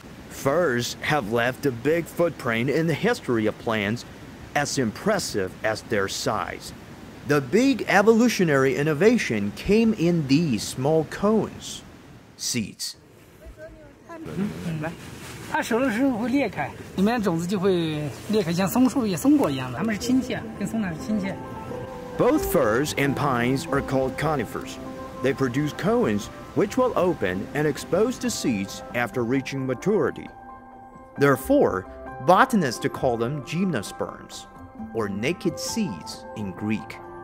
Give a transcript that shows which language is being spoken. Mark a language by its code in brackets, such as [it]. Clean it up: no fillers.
[en] Furs have left a big footprint in the history of plants, as impressive as their size. The big evolutionary innovation came in these small cones, seeds. [zh] 它熟的时候会裂开，里面种子就会裂开，像松树叶松果一样的。它们是亲戚，跟松兰是亲戚。 [en] Both firs and pines are called conifers. They produce cones, which will open and expose the seeds after reaching maturity. Therefore, botanists call them gymnosperms, or naked seeds in Greek.